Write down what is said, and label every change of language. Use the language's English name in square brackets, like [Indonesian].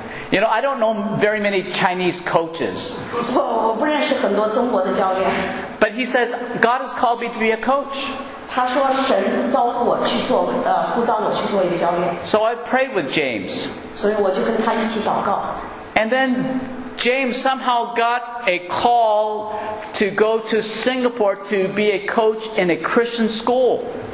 [English] You know, I don't know very many Chinese coaches. [Chinese] 我不认识很多中国的教练。 [English] But he says, God has called me to be a coach. [Chinese] 他说神招呼我去做，呼召我去做一个教练。 [English] So I prayed with James. [Chinese] 所以我就跟他一起祷告。 [English] And then James somehow got a call to go to Singapore to be a coach in a Christian school.